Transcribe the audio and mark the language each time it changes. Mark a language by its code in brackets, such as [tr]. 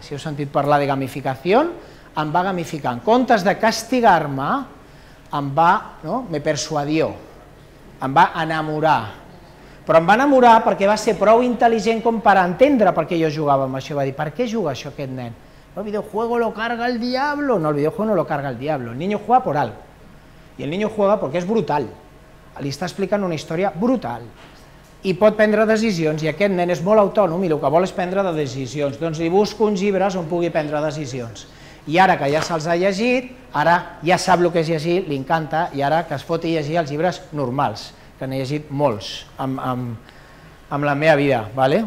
[ca] Si heu sentit parlar de gamificació, em va gamificar. En comptes de castigar-me, em va, no?, [es] me persuadió. [ca] Em va enamorar. Però em va enamorar perquè va ser prou intel·ligent com per entendre per què jo jugava amb això. Va dir, per què juga això aquest nen? [es] El videojuego lo carga el diablo. No, el videojuego no lo carga el diablo. El niño juega por algo. Y el niño juega porque es brutal. [ca] Li està explicant una història brutal. I pot prendre decisions. I aquest nen és molt autònom i el que vol és prendre de decisions. Doncs li busco uns llibres on pugui prendre decisions. I ara que ja se'ls ha llegit, ara ja sap el que és llegir, li encanta, i ara que es foti llegir els llibres normals, que n'he llegit molts amb la meva vida. ¿Vale?